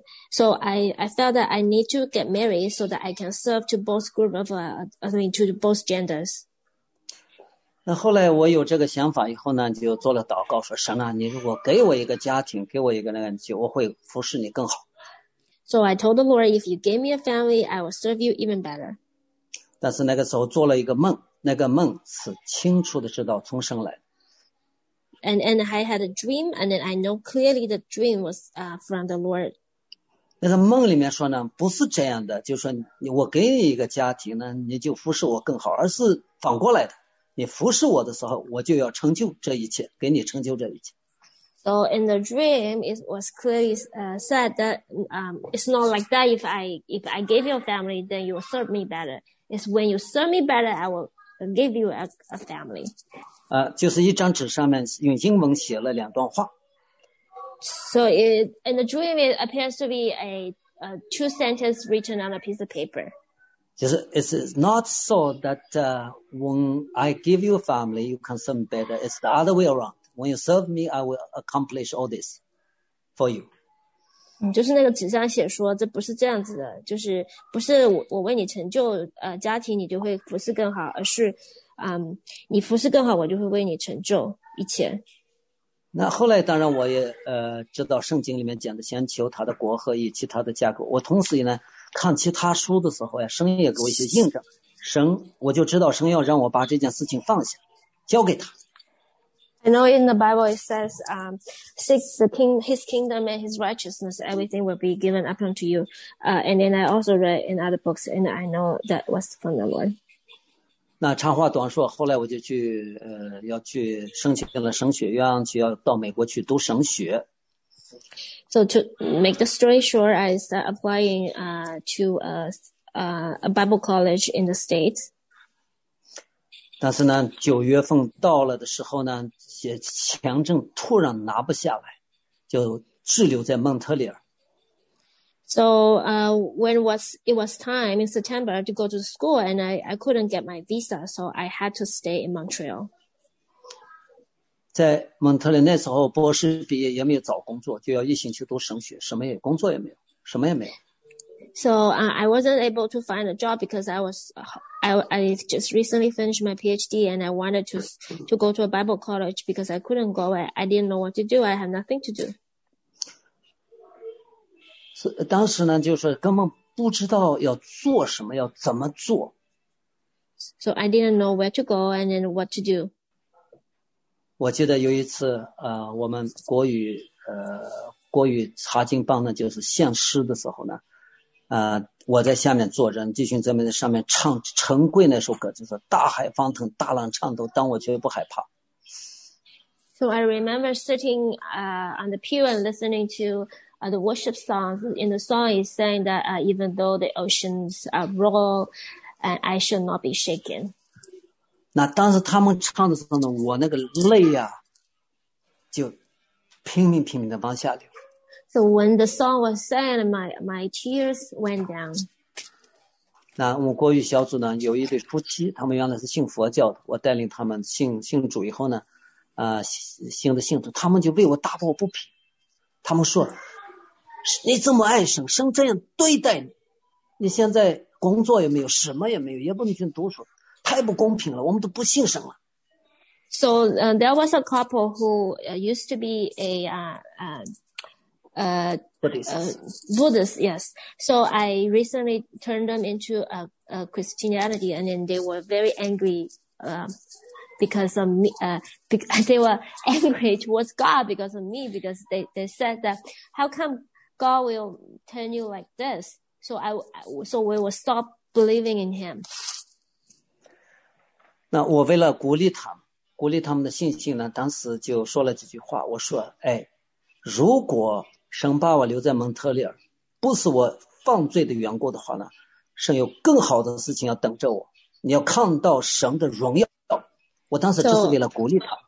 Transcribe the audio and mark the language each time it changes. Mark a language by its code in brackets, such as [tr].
[en] So I felt that I need to get married so that I can serve to both group of to both genders. [zh] 那后来我有这个想法以后呢，就做了祷告，说神啊，你如果给我一个家庭，给我一个那个，我会服侍你更好。 [en] So I told the Lord, if you give me a family, I will serve you even better. [zh] 但是那个时候做了一个梦，那个梦是清楚的知道从神来。 [en] And I had a dream, and then I know clearly the dream was from the Lord. [zh] 那个梦里面说呢，不是这样的，就是说我给你一个家庭呢，你就服侍我更好，而是反过来的。你服侍我的时候，我就要成就这一切，给你成就这一切。 [en] So in the dream, it was clearly said that it's not like that. If I give you a family, then you will serve me better. It's when you serve me better, I will give you a family. [zh] 就是一张纸上面用英文写了两段话。 [en] So in the dream, it appears to be a two sentences written on a piece of paper. 就是 it's not so that when I give you family, you can serve better. It's the other way around. When you serve me, I will accomplish all this for you. [zh] 就是那个纸上写说，这不是这样子的，就是不是我为你成就家庭，你就会服侍更好，而是你服侍更好，我就会为你成就一切。那后来当然我也知道圣经里面讲的先求他的国和以其他的价格，我同时呢看其他书的时候呀，神也给我一些印证。神，我就知道神要让我把这件事情放下，交给他。 [en] I know in the Bible it says, seek the king, his kingdom and his righteousness, everything will be given up unto you. And then I also read in other books, and I know that was from the Lord. [zh] 那长话短说，后来我就去要去申请了神学院，去要到美国去读神学。 [en] So to make the story short, I started applying to a Bible college in the States. [zh] 但是呢，九月份到了的时候呢，签证突然拿不下来，就滞留在蒙特利尔。 [en] So when it was time in September to go to school, and I couldn't get my visa, so I had to stay in Montreal. [zh] 在蒙特利那时候，博士毕业也没有找工作，就要一心去读神学，什么也工作也没有，什么也没有。 [en] So I wasn't able to find a job because I just recently finished my PhD and I wanted to go to a Bible college because I couldn't go. I didn't know what to do. I have nothing to do. [zh] 当时呢，就是根本不知道要做什么，要怎么做。 [en] So I didn't know where to go and then what to do. [zh] 我记得有一次我们国语查经帮呢就是献诗的时候呢我在下面坐着，弟兄姊妹在上面唱陈贵那首歌，就是大海翻腾，大浪唱都，但我绝不害怕。 [en] So I remember sitting on the pew and listening to the worship songs. In the song, he's saying that even though the oceans roll, and I should not be shaken. [zh] 那当时他们唱的时候呢，我那个泪呀、啊，就拼命拼命的往下流。 [en] So when the song was said, my tears went down. [zh] 那我们国语小组呢，有一对夫妻，他们原来是信佛教的。我带领他们信主以后呢，信的信徒，他们就为我打抱不平。他们说：“你这么爱神，神这样对待你，你现在工作也没有，什么也没有，也不能去读书，太不公平了，我们都不信神了。” [en] So there was a couple who used to be a Buddhist, yes. So I recently turned them into a Christianity, and then they were very angry because of me. They were angry towards God because of me, because they said that how come God will turn you like this? So we will stop believing in Him. [zh] 那我为了鼓励他们的信心呢，当时就说了几句话。我说，哎，如果神把我留在蒙特利尔，不是我犯罪的缘故的话呢，神有更好的事情要等着我。你要看到神的荣耀。我当时就是为了鼓励他。